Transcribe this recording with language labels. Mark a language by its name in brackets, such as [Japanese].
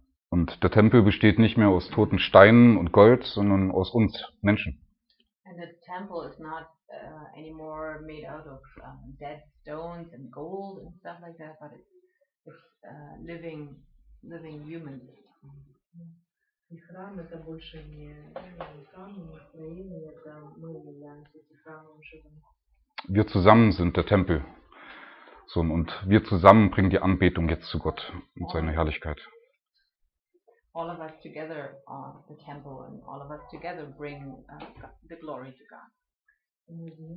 [German] Und der Tempel besteht nicht mehr aus toten Steinen und Gold, sondern aus uns Menschen. [English] And the temple is not anymore made out of dead stones and gold and stuff like that, but it's living humans. [Russian] И храм это больше не храм, а это мы являемся храмом живым. [German] Wir zusammen sind der Tempel. So, und wir zusammen bringen die Anbetung jetzt zu Gott und seine Herrlichkeit. [English] All of us together are the temple and all of us together bring the glory to God.